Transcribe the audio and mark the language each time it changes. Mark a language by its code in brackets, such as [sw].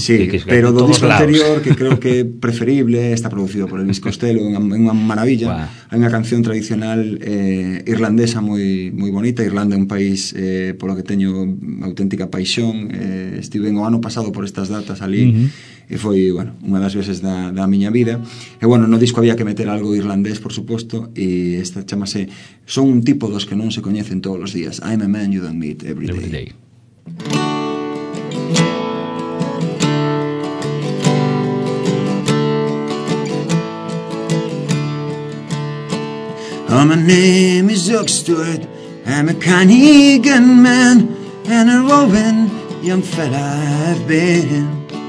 [gl] Sí, pero do disco anterior, que creo que é preferible, está producido por Elvis Costello, é unha maravilla, hai unha canción tradicional irlandesa moi, moi bonita. Irlanda é un país polo que teño auténtica paixón. Estive o ano pasado por estas datas ali, uh-huh. E foi, bueno, unha das veces da miña vida. E, bueno, no disco había que meter algo irlandés, por suposto. E esta chamase Son un tipo dos que non se coñecen todos os días. [en] I'm a man you don't meet every day. Oh, my name is Doug Stewart, I'm a Carnegie man, and a roving young fella I've been.